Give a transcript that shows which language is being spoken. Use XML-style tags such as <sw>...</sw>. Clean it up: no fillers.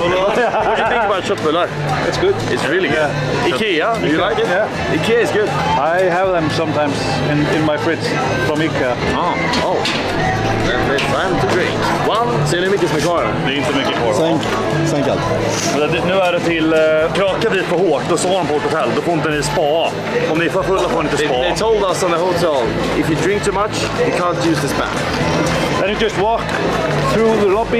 <en>What do you think about köttbullar? It's good. It's really good. Yeah. IKEA, you like it? Yeah. IKEA is good. I have them sometimes in my fridge from IKEA. Oh. Time to drink.</en> <sv>Ser ni hur mycket som är kvar? Det är inte mycket kvar. Sänk allt. Nu är det till kröka dit på hårt och sova på vårt hotell. Då får inte ni spa. Om ni är för fulla får ni inte spa.</sv> <en>They told us on the hotel, if you drink too much, you can't use the spa. Then you just walk through the lobby.</en>